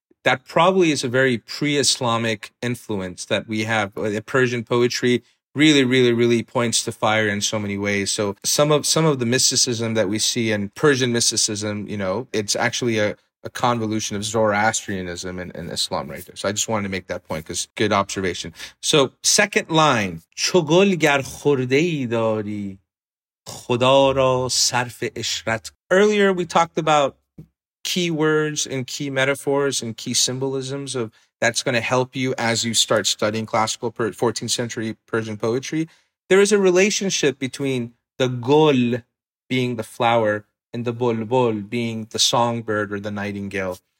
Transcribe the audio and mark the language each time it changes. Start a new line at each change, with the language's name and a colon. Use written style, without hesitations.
English: That probably is a very pre-Islamic influence that we have. The Persian poetry really, really, really points to fire in so many ways. So some of the mysticism that we see in Persian mysticism, you know, it's actually a convolution of Zoroastrianism and Islam right there. So I just wanted to make that point because good observation. So second line,
Persian: چگل گر خرده‌ای داری خدا را صرف عشرت.
English: Earlier, we talked about key words and key metaphors and key symbolisms of that's going to help you as you start studying classical 14th century Persian poetry. There is a relationship between the gul being the flower and the bulbul being the songbird or the nightingale.